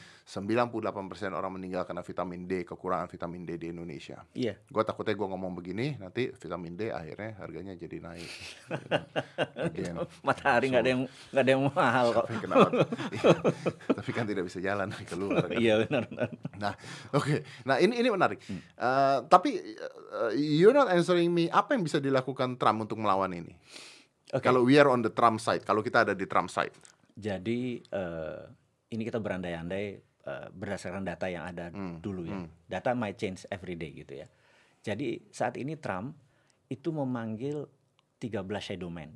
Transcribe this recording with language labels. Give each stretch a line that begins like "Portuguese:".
Indonesian: 98% orang meninggal karena vitamin D, kekurangan vitamin D di Indonesia. Iya. Gue takutnya gue ngomong begini, nanti vitamin D akhirnya harganya jadi naik. Matahari gak ada yang mahal kok. Tapi kenapa? Tapi kan tidak bisa jalan keluar. Kan? Iya benar. Nah, oke. Okay. Nah ini menarik. Tapi
English: you're not answering me.
Indonesian: Apa yang bisa dilakukan Trump untuk melawan ini?
English: Okay.
Indonesian: Kalau
English: we are on the Trump side,
Indonesian: kalau kita ada di Trump side. Jadi ini kita berandai-andai berdasarkan data yang ada dulu ya.
English: Data might change every day
Indonesian: gitu ya. Jadi saat ini Trump itu memanggil 13 shadow man.